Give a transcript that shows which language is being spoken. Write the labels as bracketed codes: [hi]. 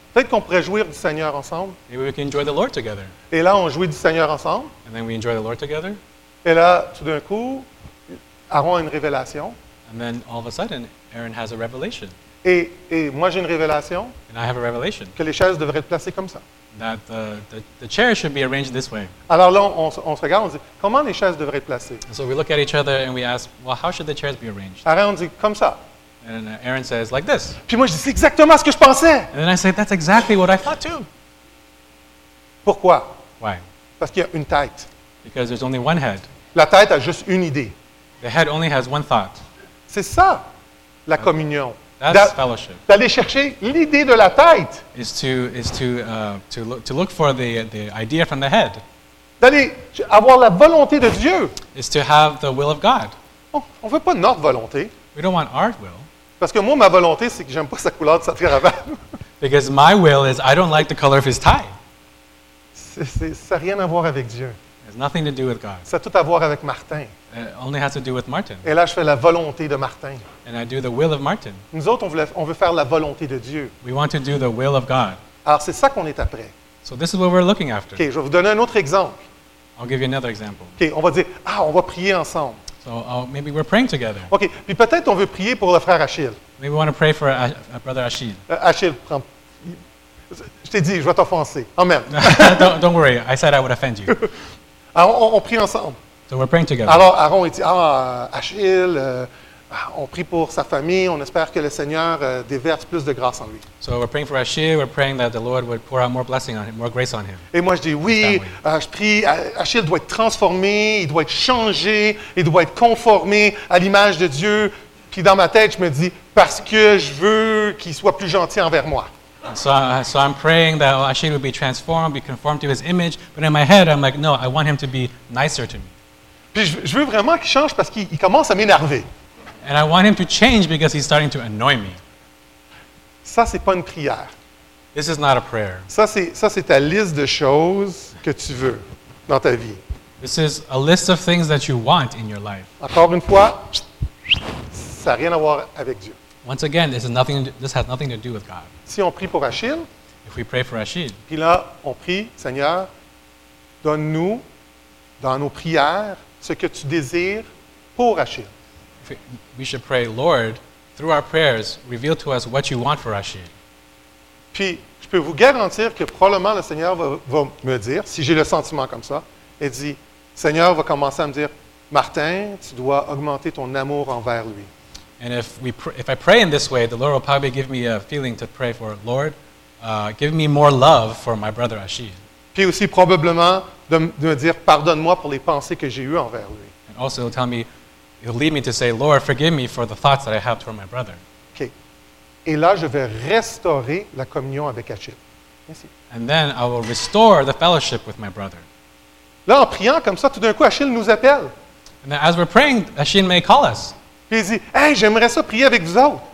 [fr] Peut-être qu'on pourrait jouir du Seigneur ensemble. [en] Maybe we can enjoy the Lord together. [fr] Et là, on jouit du Seigneur ensemble. [en] And then we enjoy the Lord together. [fr] Et là, tout d'un coup, Aaron a une révélation. [en] And then all of a sudden, Aaron has a revelation. [fr] Et moi, j'ai une révélation. [en] And I have a revelation. [fr] Que les chaises devraient être placées comme ça. [en] That the chairs should be arranged this way. [fr] Alors là, on se regarde, on dit, comment les chaises devraient être placées? [en] And so we look at each other and we ask, well, how should the chairs be arranged? [fr] Aaron, on dit, comme ça. [en] And Aaron says, like this. [fr] Puis moi, je dis, c'est exactement ce que je pensais. [en] And then I say, that's exactly what I thought too. [fr] Pourquoi? [en] Why? [fr] Parce qu'il y a une tête. [en] Because there's only one head. [fr] La tête a juste une idée. [en] The head only has one thought. [fr] C'est ça, la communion. [en] That's fellowship. [fr] D'aller chercher l'idée de la tête. [en] Is to look for the idea from the head. [fr] D'aller avoir la volonté de Dieu. [en] Is to have the will of God. [fr] On veut pas notre volonté. [en] We don't want our will. [fr] Parce que moi, ma volonté, c'est que j'aime pas sa couleur de sa cravate. [en] Because my will is I don't like the color of his tie. [fr] C'est, ça a rien à voir avec Dieu. [en] It has nothing to do with God. [fr] Ça a tout à voir avec Martin. [en] It only has to do with Martin. [fr] Et là, je fais la volonté de Martin. [en] And I do the will of Martin. [fr] Nous autres, on veut faire la volonté de Dieu. [en] We want to do the will of God. [fr] Alors, c'est ça qu'on est après. [en] So this is what we're looking after. [fr] OK, je vais vous donner un autre exemple. [en] I'll give you another example. [fr] OK, on va dire, ah, on va prier ensemble. [en] So maybe we're praying together. [fr] OK, puis peut-être on veut prier pour le frère Achille. [en] Maybe we want to pray for a brother Achille. [fr] Achille, prends. Je t'ai dit, je vais t'offenser. Amen. [en] Don't worry, I said I would offend you. [fr] Alors, on prie ensemble. [en] So we're praying together. [fr] Alors Aaron il dit, Achille, on prie pour sa famille, on espère que le Seigneur déverse plus de grâce en lui. [en] So we're praying for Achille, we're praying that the Lord would pour out more blessing on him, more grace on him. [fr] Et moi je dis oui, je prie, Achille doit être transformé, il doit être changé, il doit être conformé à l'image de Dieu. Puis dans ma tête, je me dis parce que je veux qu'il soit plus gentil envers moi. [en] So I'm praying that Achille will be transformed, be conformed to his image, but in my head I'm like no, I want him to be nicer to me. [fr] Puis je veux vraiment qu'il change parce qu'il commence à m'énerver. [en] And I want him to change because he's starting to annoy me. [fr] Ça c'est pas une prière. [en] This is not a prayer. [fr] Ça c'est ta liste de choses que tu veux dans ta vie. [en] This is a list of things that you want in your life. [fr] Encore une fois, ça n'a rien à voir avec Dieu. [en] Once again, this has nothing to do with God. [fr] Si on prie pour Achille, [en] if we pray for Achille, [fr] puis là on prie, Seigneur, donne-nous dans nos prières ce que tu désires pour Achille. [en] We should pray, Lord, through our prayers, reveal to us what you want for Achille. [fr] Puis, je peux vous garantir que probablement le Seigneur va me dire, si j'ai le sentiment comme ça, et dit, Seigneur va commencer à me dire, Martin, tu dois augmenter ton amour envers lui. [en] And if I pray in this way, the Lord will probably give me a feeling to pray for, Lord, give me more love for my brother Achille. [fr] Puis aussi probablement de me dire, pardonne-moi pour les pensées que j'ai eues envers lui. [en] And also he'll tell me, it'll lead me to say, Lord, forgive me for the thoughts that I have toward my brother. Okay. [fr] Et là, je vais restaurer la communion avec Achille. Merci. [en] And then I will restore the fellowship with my brother. [fr] Là, en priant comme ça, tout d'un coup, Achille nous appelle. [en] And then, as we're praying, Achille may call us. [fr] Puis il dit, hey, j'aimerais ça prier avec vous autres.